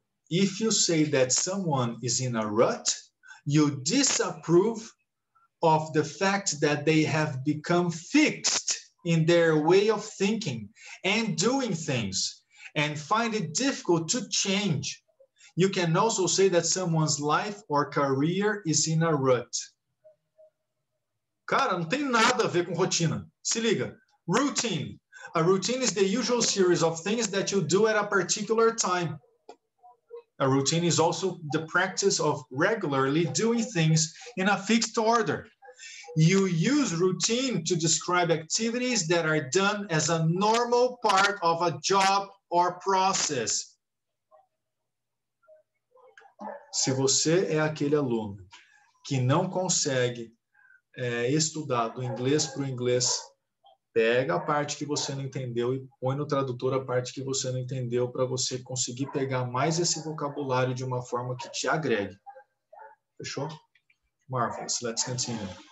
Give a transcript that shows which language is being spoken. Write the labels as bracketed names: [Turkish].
[English] If you say that someone is in a rut, you disapprove of the fact that they have become fixed in their way of thinking and doing things and find it difficult to change. You can also say that someone's life or career is in a rut. [Portuguese] Cara, não tem nada a ver com rotina. Se liga. Routine. [English] A routine is the usual series of things that you do at a particular time. A routine is also the practice of regularly doing things in a fixed order. You use routine to describe activities that are done as a normal part of a job or process. [Portuguese] Se você é aquele aluno que não consegue estudar do inglês para o inglês, pega a parte que você não entendeu e põe no tradutor a parte que você não entendeu para você conseguir pegar mais esse vocabulário de uma forma que te agregue. Fechou? [English] Marvelous. Let's continue.